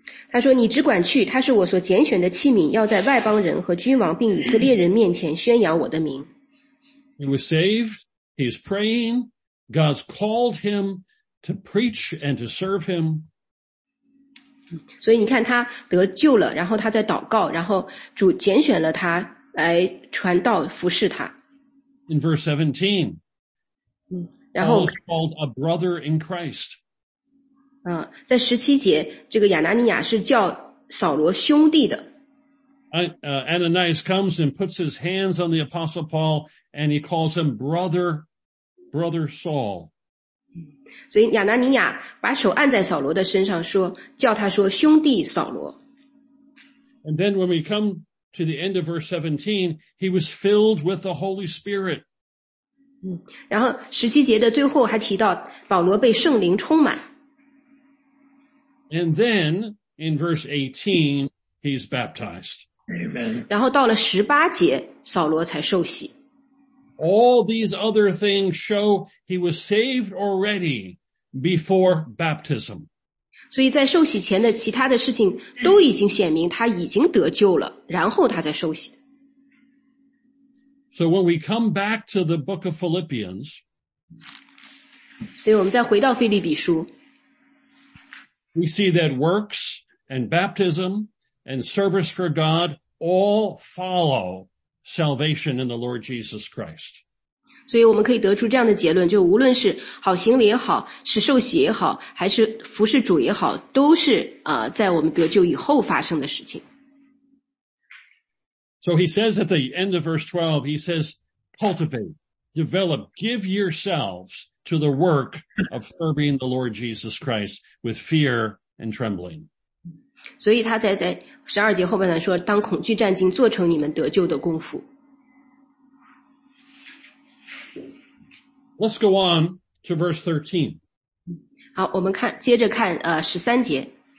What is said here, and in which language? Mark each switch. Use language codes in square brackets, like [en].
[zh] 他说你只管去，他是我所拣选的器皿，要在外邦人和君王并以色列人面前宣扬我的名。 [en] He was saved, he's praying, God's called him to preach and to serve him. [zh] 所以你看他得救了，然后他在祷告，然后主拣选了他来传道服侍他。 [en] In verse 17, [zh] 然后 [en] Paul is called a brother in Christ. [zh] 在十七节，这个亚拿尼亚是叫扫罗兄弟的。 [en] Ananias comes and puts his hands on the apostle Paul and he calls him brother Saul. [zh] 所以亚拿尼亚把手按在扫罗的身上说，叫他说兄弟扫罗。 [en] And then when we come to the end of verse 17, he was filled with the Holy Spirit. [zh] 然后十七节的最后还提到保罗被圣灵充满。 [en] And then in verse 18, he's baptized. Amen. [zh] 然后到了十八节，扫罗才受洗。 [en] All these other things show he was saved already before baptism. [zh] 所以在受洗前的其他的事情都已经显明他已经得救了，然后他才受洗。 [en] So when we come back to the book of Philippians, [zh] 所以我们再回到腓立比书， [en] we see that works and baptism and service for God all follow salvation in the Lord Jesus Christ. [zh] 所以我们可以得出这样的结论，就无论是好行为也好，是受洗也好，还是服侍主也好，都是在我们得救以后发生的事情。 [en] So he says at the end of verse 12, he says, cultivate, develop, give yourselves to the work of serving the Lord Jesus Christ with fear and trembling. [zh] 所以他在十二节后半段说，当恐惧战兢，做成你们得救的功夫。 [en] Let's go on to verse 13. [zh] 好，我们看接着看十三节。